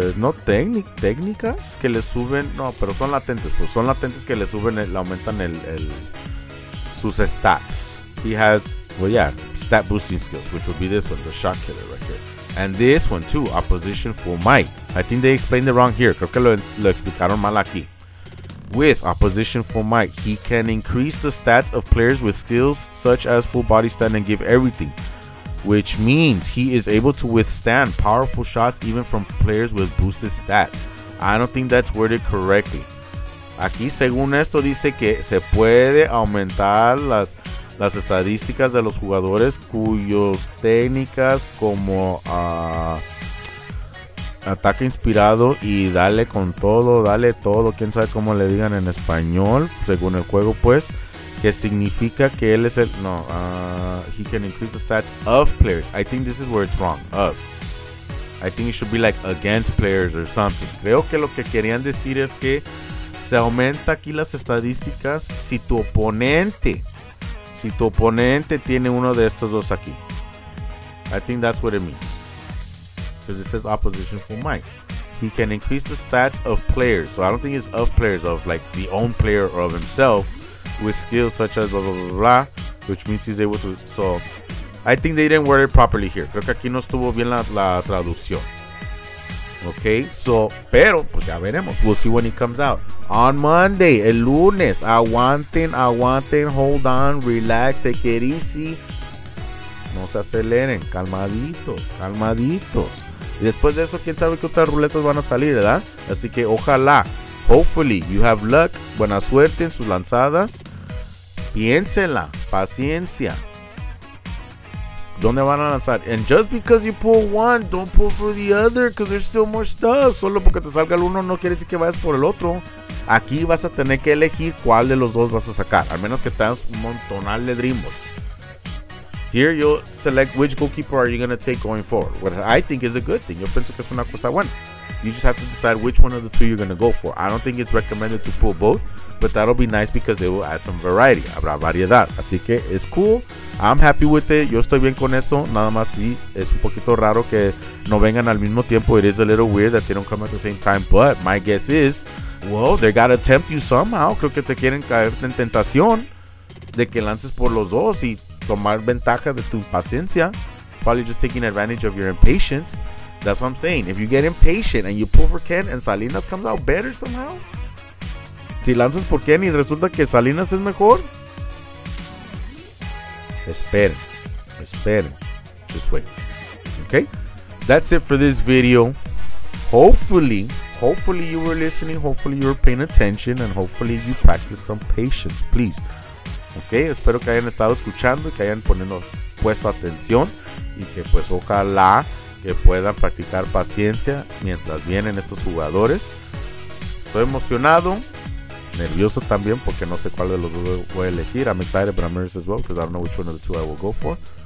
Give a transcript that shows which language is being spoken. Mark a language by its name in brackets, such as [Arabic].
[Spanish] técnicas que le suben, no, pero son latentes, pues son latentes que le suben, le aumentan el sus stats. [English] He has, well, yeah, stat boosting skills, which would be this one, the shot killer right here. And this one too, opposition full might. I think they explained it wrong here. [Spanish] Creo que lo explicaron mal aquí. [English] With opposition full might, he can increase the stats of players with skills such as full body stand and give everything. Which means he is able to withstand powerful shots even from players with boosted stats. I don't think that's worded correctly. [Spanish] Aquí, según esto, dice que se puede aumentar las estadísticas de los jugadores cuyos técnicas como ataque inspirado y dale con todo, dale todo. Quién sabe cómo le digan en español, según el juego, pues. Que significa que él es el... [English] No, he can increase the stats of players. I think this is where it's wrong. Of. I think it should be like against players or something. [Spanish] Creo que lo que querían decir es que se aumenta aquí las estadísticas si tu oponente tiene uno de estos dos aquí. [English] I think that's what it means. Because it says opposition for Mike. He can increase the stats of players. So I don't think it's of players, of like the own player or of himself. With skills such as blah, blah, blah, blah, which means he's able to. So, I think they didn't word it properly here. [Spanish] Creo que aquí no estuvo bien la traducción. [English] Okay, so, [Spanish] pero, pues ya veremos. [English] We'll see when he comes out. On Monday, [Spanish] el lunes, aguanten, [English] hold on, relax, take it easy. [Spanish] No se aceleren, calmaditos. Y después de eso, quién sabe qué otras ruletas van a salir, ¿verdad? Así que, ojalá. [English] Hopefully you have luck, [Spanish] buena suerte en sus lanzadas. Piénsela, paciencia. ¿Dónde van a lanzar? [English] And just because you pull one, don't pull for the other, because there's still more stuff. [Spanish] Solo porque te salga el uno no quiere decir que vayas por el otro. Aquí vas a tener que elegir cuál de los dos vas a sacar, al menos que tengas un montonal de dreamers. [English] Here you select which goalkeeper are you going to take going forward. What I think is a good thing. [Spanish] Yo pienso que es una cosa buena. [English] You just have to decide which one of the two you're going to go for. I don't think it's recommended to pull both, but that'll be nice because they will add some variety. [Spanish] Habrá variedad. Así que [English] it's cool. I'm happy with it. [Spanish] Yo estoy bien con eso. Nada más si es un poquito raro que no vengan al mismo tiempo. [English] It is a little weird that they don't come at the same time. But my guess is, well, they got to tempt you somehow. [Spanish] Creo que te quieren caer en tentación de que lances por los dos y tomar ventaja de tu impaciencia. [English] Probably just taking advantage of your impatience. That's what I'm saying. If you get impatient and you pull for Ken and Salinas comes out better somehow. [Spanish] Si lanzas por Ken y resulta que Salinas es mejor. Esperen. [English] Just wait. Okay? That's it for this video. Hopefully you were listening. Hopefully you were paying attention. And hopefully you practice some patience, please. Okay? [Spanish] Espero que hayan estado escuchando y que hayan puesto atención. Y que pues ojalá que puedan practicar paciencia mientras vienen estos jugadores. Estoy emocionado, nervioso también, porque no sé cuál de los dos voy a elegir. [English] I'm excited, but I'm nervous as well, because I don't know which one of the two I will go for.